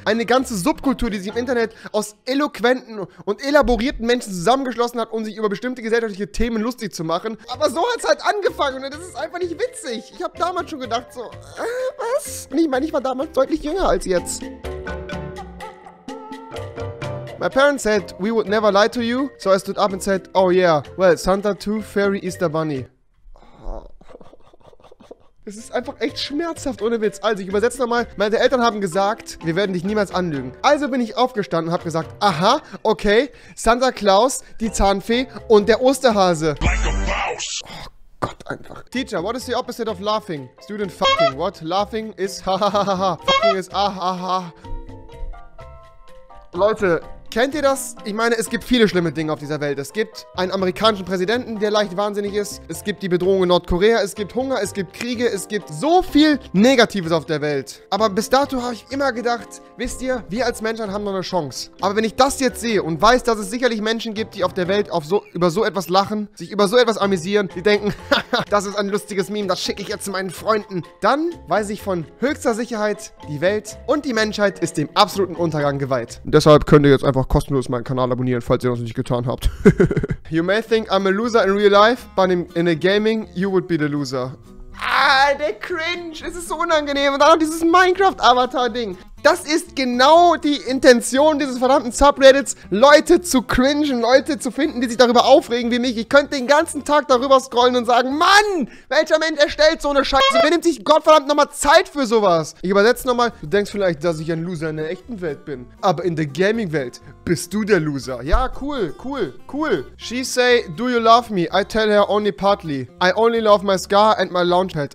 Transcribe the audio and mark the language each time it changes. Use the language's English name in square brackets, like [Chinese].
[German] Eine ganze Subkultur, die sich im Internet aus eloquenten und elaborierten Menschen zusammengeschlossen hat, um sich über bestimmte gesellschaftliche Themen lustig zu machen. Aber so hat es halt angefangen und das ist einfach nicht witzig. Ich habe damals schon gedacht so, was? Und ich meine, ich war damals deutlich jünger als jetzt. [English] My parents said, we would never lie to you. So I stood up and said, oh yeah, well, Santa too, Fairy Easter Bunny. [German] Es ist einfach echt schmerzhaft, ohne Witz. Also, ich übersetze nochmal. Meine Eltern haben gesagt, wir werden dich niemals anlügen. Also bin ich aufgestanden und habe gesagt, aha, okay, Santa Claus, die Zahnfee und der Osterhase. Oh Gott, einfach. [English] Teacher, what is the opposite of laughing? Student fucking. What? Laughing is ha ha ha ha. Fucking is ah ha ha. [German] Leute. Kennt ihr das? Ich meine, es gibt viele schlimme Dinge auf dieser Welt. Es gibt einen amerikanischen Präsidenten, der leicht wahnsinnig ist. Es gibt die Bedrohung in Nordkorea. Es gibt Hunger. Es gibt Kriege. Es gibt so viel Negatives auf der Welt. Aber bis dato habe ich immer gedacht, wisst ihr, wir als Menschen haben noch eine Chance. Aber wenn ich das jetzt sehe und weiß, dass es sicherlich Menschen gibt, die auf der Welt über so etwas lachen, sich über so etwas amüsieren, die denken, das ist ein lustiges Meme, das schicke ich jetzt zu meinen Freunden. Dann weiß ich von höchster Sicherheit, die Welt und die Menschheit ist dem absoluten Untergang geweiht. Deshalb könnt ihr jetzt einfach kostenlos meinen Kanal abonnieren, falls ihr das noch nicht getan habt. [English] You may think I'm a loser in real life, but in a gaming, you would be the loser. [German] Ah, der Cringe, es ist so unangenehm. Und dann noch dieses Minecraft-Avatar-Ding. Das ist genau die Intention dieses verdammten Subreddits, Leute zu cringen, Leute zu finden, die sich darüber aufregen wie mich. Ich könnte den ganzen Tag darüber scrollen und sagen, Mann, welcher Mensch erstellt so eine Scheiße? Wer nimmt sich Gottverdammt nochmal Zeit für sowas? Ich übersetze nochmal, du denkst vielleicht, dass ich ein Loser in der echten Welt bin, aber in der Gaming-Welt bist du der Loser. [English] Ja, cool, cool, cool. She say, do you love me? I tell her only partly. I only love my scar and my launchpad.